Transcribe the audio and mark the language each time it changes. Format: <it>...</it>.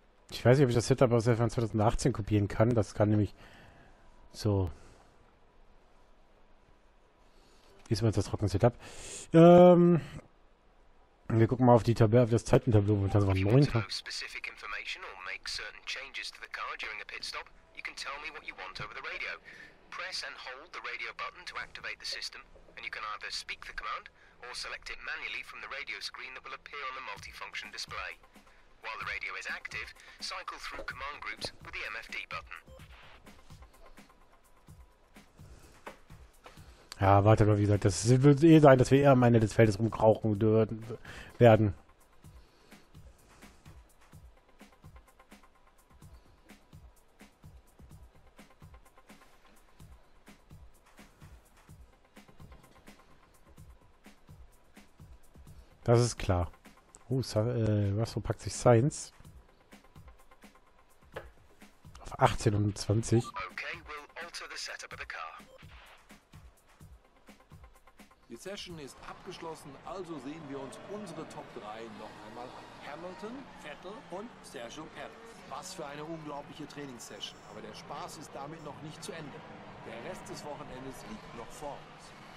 <de>Ich weiß nicht, ob ich das Setup aus der 2018 kopieren kann. Das kann nämlich so. Ist mal das trockene Setup. Wir gucken mal auf die Tabelle, auf das Zeitentableau, und das war 9.</de> <en>Specific information or make certain changes to the car during a pit stop. You can tell me what you want over the radio. Press and hold the radio button to activate the system and you can either speak the command or select it manually from the radio screen that will appear on the multifunction display. While the radio is active, cycle through command groups with the MFD button.</en> <de>Ja, warte mal, wie gesagt, das wird eh sein, dass wir eher am Ende des Feldes rumkrauchen werden. Das ist klar. Russell packt sich Science auf 18 und 20.</de> <en>Okay, we'll alter the setup of the car.</en> <de>Die Session ist abgeschlossen, also sehen wir uns unsere Top 3 noch einmal an. Hamilton, Vettel und Sergio Perez. Was für eine unglaubliche Trainingssession, aber der Spaß ist damit noch nicht zu Ende. Der Rest des Wochenendes liegt noch vor uns.</de>